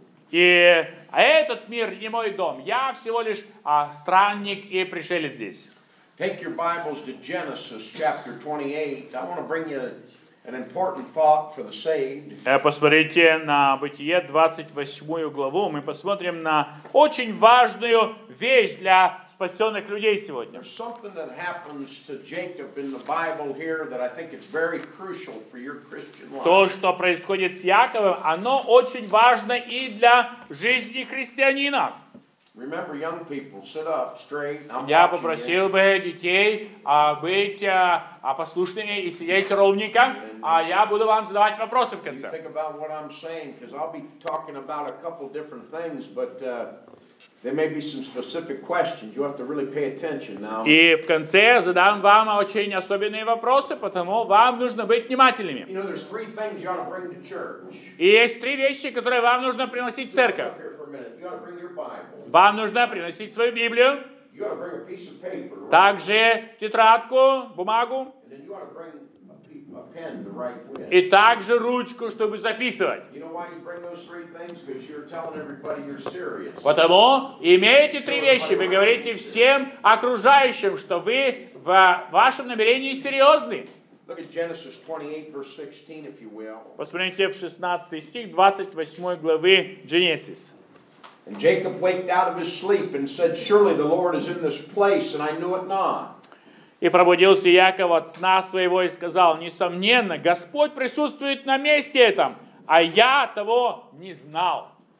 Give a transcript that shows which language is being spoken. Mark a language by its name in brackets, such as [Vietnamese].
[Russian] И этот мир не мой дом. Я всего лишь странник и пришелец здесь. [English] Take your Bibles to Genesis chapter 28. I want to bring you an important thought for the saved. [Russian] Посмотрите на Бытие 28 главу. Мы посмотрим на очень важную вещь для спасенных людей сегодня. [English] There's something that happens to Jacob in the Bible here that I think it's very crucial for your Christian life. [Russian] То, что происходит с Яковом, оно очень важно и для жизни христианина. [English] Remember, young people, sit up straight. [Russian] Я попросил бы детей быть послушными и сидеть ровненько, а я буду вам задавать вопросы в конце. [English] Think about what I'm saying, because I'll be talking about a couple different things, but there may be some specific questions. You have to really pay attention now. [Russian] И в конце я задам вам очень особенные вопросы, потому вам нужно быть внимательными. [English] You know, there's three things you ought to bring to church. [Russian] И есть три вещи, которые вам нужно приносить в церковь. [English] You ought to bring your Bible. [Russian] Вам нужно приносить свою Библию. [English] You ought to bring a piece of paper, right? [Russian] Также тетрадку, бумагу. [English] And then you ought to bring a pen to write with. [Russian] И также ручку, чтобы записывать. [English] You know why you bring those three things? Because you're telling everybody you're serious. [Russian] Потому имейте три вещи. Вы говорите всем окружающим, что вы в вашем намерении серьезны. [English] Look at Genesis 28, verse 16, if you will. [Russian] Посмотрите в 16 стих 28 главы Genesis. [English] And Jacob waked out of his sleep and said, "Surely the Lord is in this place, and I knew it not." [Russian] И пробудился Яков от сна своего и сказал: «Несомненно, Господь присутствует на месте этом, а я того не знал».